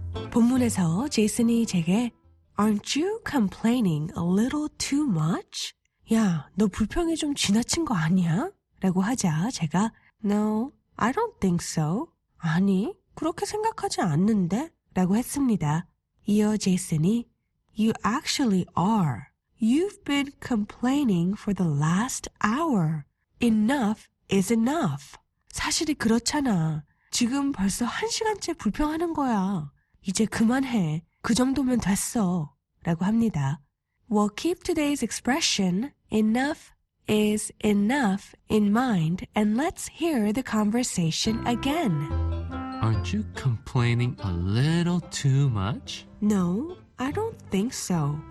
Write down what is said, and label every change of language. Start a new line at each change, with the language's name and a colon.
Korean: 본문에서 제이슨이 제게
English: Aren't you complaining a little too much?
Korean: 야, 너 불평이 좀 지나친 거 아니야? 라고 하자 제가
English: No, I don't think so.
Korean: 아니, 그렇게 생각하지 않는데? 라고 했습니다. 이어 제이슨이
English: You actually are. You've been complaining for the last hour. Enough is enough.
Korean: 사실이 그렇잖아. 지금 벌써 한 시간째 불평하는 거야. 이제 그만해. 그 정도면 됐어. 라고 합니다.
English: We'll keep today's expression, enough is enough, in mind, and let's hear the conversation again. Aren't you complaining a little too much? No, I don't think so.